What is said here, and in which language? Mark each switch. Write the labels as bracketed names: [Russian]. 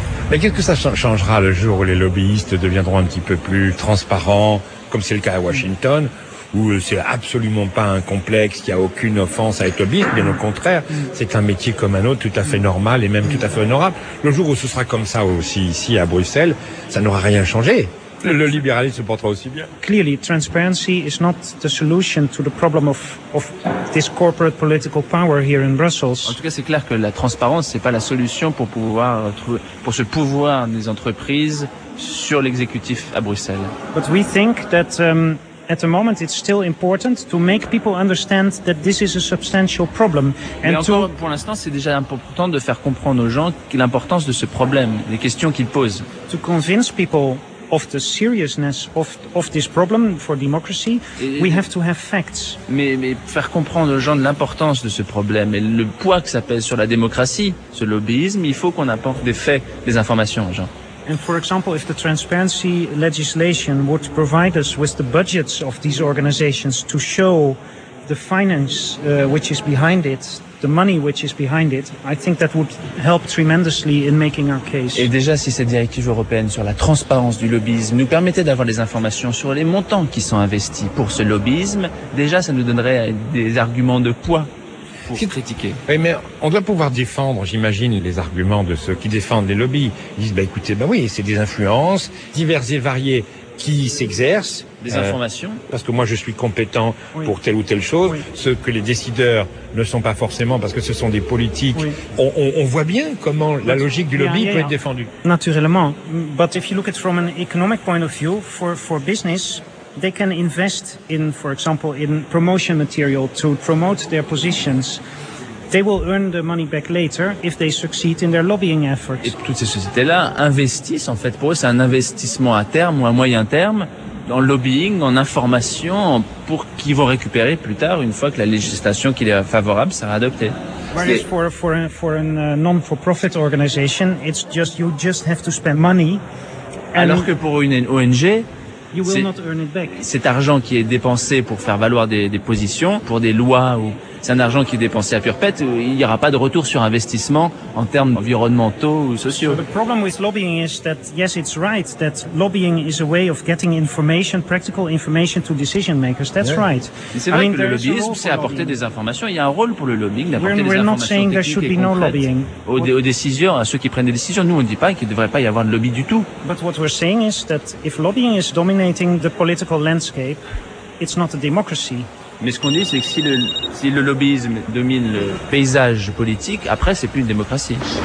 [French] Mais qu'est-ce que ça changera le jour où les lobbyistes deviendront un petit peu plus transparents, comme c'est le cas à Washington? Où c'est absolument pas un complexe, il n'y a aucune offense à être lobbyiste, bien au contraire, c'est un métier comme un autre, tout à fait normal et même tout à fait honorable. Le jour où ce sera comme ça aussi ici à Bruxelles, ça n'aura rien changé. Le libéralisme se portera aussi bien. [English] Clearly, transparency is not the solution to the problem of this corporate political power here in Brussels. [French] En tout cas, c'est clair que la transparence, c'est pas la solution pour ce pouvoir des entreprises sur l'exécutif à Bruxelles. [English] But we think that at the moment, it's still important to make people understand that this is a substantial problem. And [French] encore, pour l'instant, c'est déjà important de faire comprendre aux gens l'importance de ce problème, les questions qu'ils posent. [English] To convince people of the seriousness of this problem for democracy, we have to have facts. [French] Mais faire comprendre aux gens de l'importance de ce problème et le poids que ça pèse sur la démocratie, ce lobbyisme, il faut qu'on apporte des faits, des informations aux gens. [English] And for example, if the transparency legislation would provide us with the budgets of these organizations to show the finance which is behind it, the money which is behind it, I think that would help tremendously in making our case. [French] Et déjà, si cette directive européenne sur la transparence du lobbyisme nous permettait d'avoir des informations sur les montants qui sont investis pour ce lobbyisme, déjà, ça nous donnerait des arguments de poids. Oui, mais on doit pouvoir défendre, j'imagine, les arguments de ceux qui défendent les lobbies. Ils disent, écoutez, c'est des influences diverses et variées qui s'exercent. Des informations. Parce que moi, je suis compétent pour telle ou telle chose. Oui. Ce que les décideurs ne sont pas forcément, parce que ce sont des politiques. Oui. On voit bien comment la logique du lobby peut être défendue. Naturellement. [English] But if you look at it from an economic point of view, for business, they can invest in, for example, in promotion material to promote their positions. They will earn the money back later if they succeed in their lobbying efforts. [French] Et toutes ces sociétés-là investissent, en fait, pour eux, c'est un investissement à terme ou à moyen terme dans le lobbying, en information, pour qu'ils vont récupérer plus tard, une fois que la législation qui est favorable sera adoptée. [English] Whereas for a non-for-profit organization, it's just, you just have to spend money. [French] Alors que pour une ONG, [English] you will not earn it back. [French] Cet argent qui est dépensé pour faire valoir des positions, pour des lois ou c'est un argent qui est dépensé à pure perte. Il n'y aura pas de retour sur investissement en termes environnementaux ou sociaux. [English] The problem with lobbying is that, yes, it's right that lobbying is a way of getting information, practical information to decision makers. That's yeah. right. [French] Mais c'est vrai que le lobbyisme, c'est apporter des informations. Il y a un rôle pour le lobbying d'apporter des informations techniques et concrètes. [English] No lobbying. [French] Aux décideurs, à ceux qui prennent des décisions, nous on ne dit pas qu'il ne devrait pas y avoir de lobby du tout. [English] But what we're saying is that if lobbying is dominating the political landscape, it's not a democracy. [French] Mais ce qu'on dit, c'est que si le lobbyisme domine le paysage politique, après, c'est plus une démocratie.